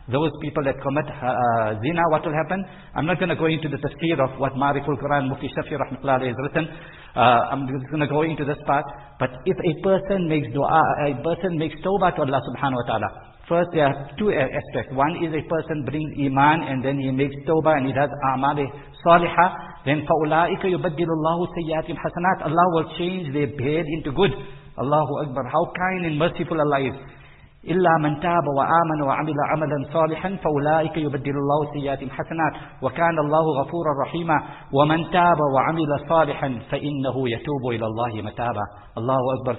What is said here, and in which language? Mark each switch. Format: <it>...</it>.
<en>Those people that commit zina, what will happen? I'm not going to go into the tafsir of what Ma'riful Quran Mufti Shafi rahmatullah alayhi has written. I'm just going to go into this part. But if a person makes dua, a person makes tawbah to Allah subhanahu wa ta'ala, first, there are two aspects. One is a person brings iman and then he makes tawbah and he does amal saliha.</en> <ar>Then فَأُولَٰئِكَ يُبَدِّلُ اللَّهُ سَيَّاتِ الْحَسَنَاتِ.</ar> <en>Allah will change their bad into good.</en> <ar>Allahu Akbar.</ar> <en>How kind and merciful Allah is.</en> <ar>إِلَّا مَنْ تَابَ وَآمَنَ وَعَمِلَ عَمَلًا صَالِحًا فَأُولَٰئِكَ يُبَدِّلُ اللَّهُ سَيَّاتِ الْحَسَنَاتِ وَكَانَ اللَّهُ غَفُورًا رَحِيمًا وَمَنْ تَابَ وَعَمِلَ صَالِحًا فَإِنَّهُ يَتُوبُ إِلَى اللَّهِ مَتَابًا. Allahu Akbar.</ar>